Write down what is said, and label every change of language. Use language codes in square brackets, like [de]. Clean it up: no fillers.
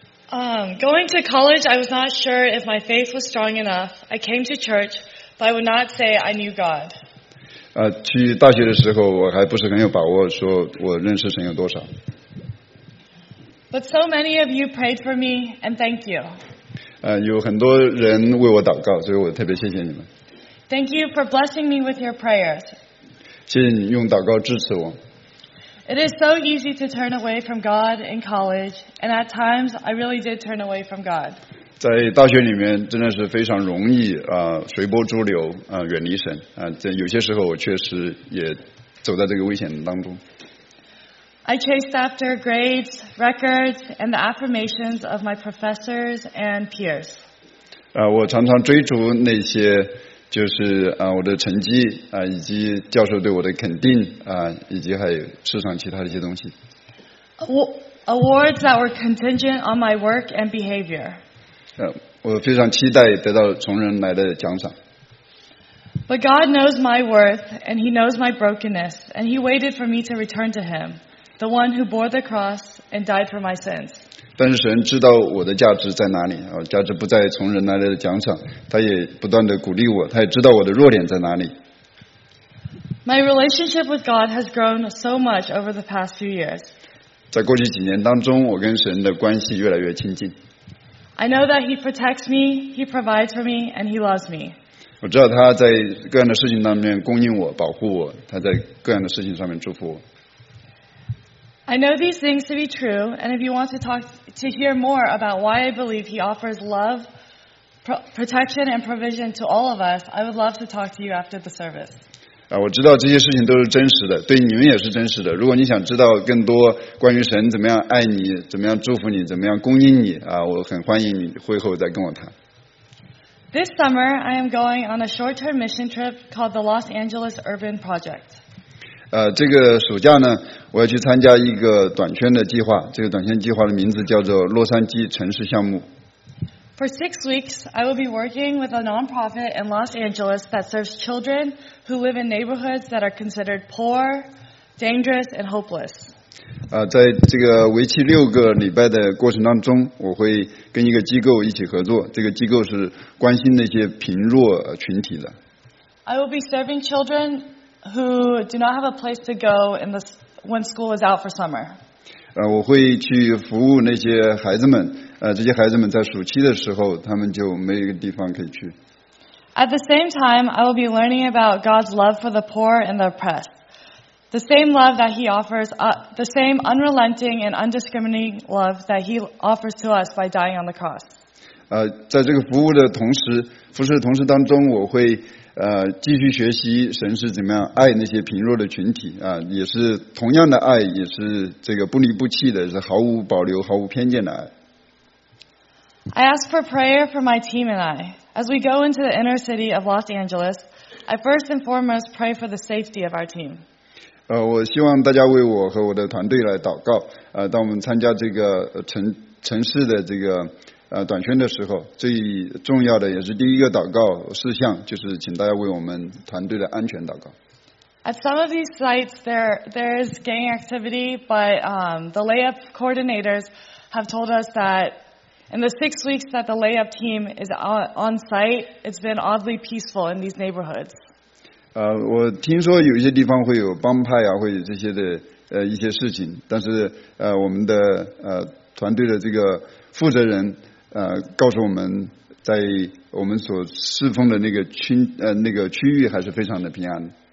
[en] Going to college, I was not sure if my faith was strong enough. I came to church, but I would not say I knew God. [zh] 去大学的时候，我还不是很有把握，说我认识神有多少。 [en] But so many of you prayed for me, and thank you. [zh] 有很多人为我祷告，所以我特别谢谢你们。 [en] Thank you for blessing me with your prayers. [zh] 谢谢你用祷告支持我。 [en] It is so easy to turn away from God in college, and at times I really did turn away from God. [zh] 在大学里面真的是非常容易随波逐流远离神在有些时候我确实也走在这个危险当中。 [en] I chased after grades, records, and the affirmations of my professors and peers. [zh] 我常常追逐那些就是我的成绩以及教授对我的肯定以及还有市场其他的一些东西。 [en] Awards that were contingent on my work and behavior. [zh] 我非常期待得到从人来的奖赏。 [en] But God knows my worth, and He knows my brokenness, and He waited for me to return to Him. The one who bore the cross and died for my sins. [zh] 但是神知道我的价值在哪里，价值不在从人来的奖赏，他也不断的鼓励我，他也知道我的弱点在哪里。 [en] My relationship with God has grown so much over the past few years. [zh] 在过去几年当中，我跟神的关系越来越亲近。 [en] I know that He protects me, He provides for me, and He loves me. [zh] 我知道他在各样的事情当中供应我，保护我，他在各样的事情上面祝福我。 [en] I know these things to be true, and if you want to talk to hear more about why I believe He offers love, protection, and provision to all of us, I would love to talk to you after the service. [zh] 我知道这些事情都是真实的，对你们也是真实的。如果你想知道更多关于神怎么样爱你，怎么样祝福你，怎么样供应你我很欢迎你会后再跟我谈。 [en] This summer, I am going on a short-term mission trip called the Los Angeles Urban Project. [zh] 这个暑假呢我要去参加一个短宣的计划这个短宣计划的名字叫做洛杉矶城市项目 [en] For 6 weeks I will be working with a non-profit in Los Angeles that serves children who live in neighborhoods that are considered poor, dangerous, and hopeless [zh] 在这个为期6个礼拜的过程当中我会跟一个机构一起合作这个机构是关心那些贫弱群体的 [en] I will be serving childrenWho do not have a place to go when school is out for summer? [zh] 我会去服务那些孩子们。这些孩子们在暑期的时候，他们就没有一个地方可以去。 [en] At the same time, I will be learning about God's love for the poor and the oppressed. The same love that He offers, the same unrelenting and undiscriminating love that He offers to us by dying on the cross. [zh] 在这个服务的同时，服侍的同时当中，我会。继续学习神是怎么样爱那些贫弱的群体也是同样的爱也是这个不离不弃的是毫无保留毫无偏见的爱 [en] I ask for prayer for my team and I as we go into the inner city of Los Angeles I first and foremost pray for the safety of our team [zh] 我希望大家为我和我的团队来祷告当我们参加这个 城市的这个短宣的时候最重要的也是第一个祷告事项就是请大家为我们团队的安全祷告 [en] At some of these sites there is gang activity but the layup coordinators have told us that in the 6 weeks that the layup team is on site it's been oddly peaceful in these neighborhoods [zh] 我听说有一些地方会有帮派会有这些的一些事情但是我们的团队的这个负责人告诉我们在我们所侍奉的那个区域还是非常的平安